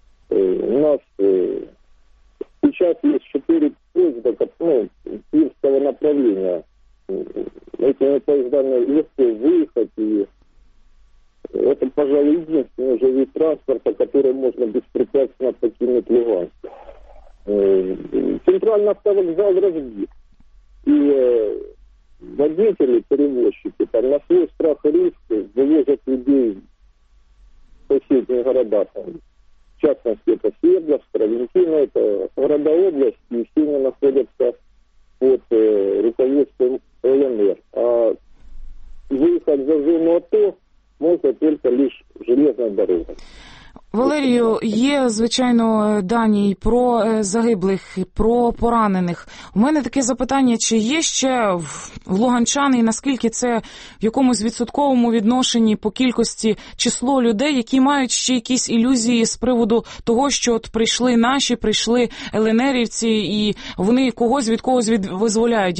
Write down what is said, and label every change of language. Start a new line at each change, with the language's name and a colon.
Ukrainian: У нас зараз є 4 поїзда, ну, київського направлення. Цими поїздами легко виїхати. І це, пожалуй, єдиний вже від транспорту, який можна безпрепятственно покинути Луганськ.
Russian: Центральный автовокзал разбит, и водители, перевозчики, там на свой страх и риск вывозят людей в соседние города, там, в частности, это Свердловск, Равентина, это города области, и все они находятся под руководством ЛНР. А выехать за зону АТО можно только лишь железной дорогой.
Ukrainian: Валерію, є, звичайно, дані про загиблих, про поранених. У мене таке запитання, чи є ще в луганчани, і наскільки це в якомусь відсотковому відношенні по кількості число людей, які мають ще якісь ілюзії з приводу того, що от прийшли наші, прийшли ЛНРівці, і вони когось від когось визволяють.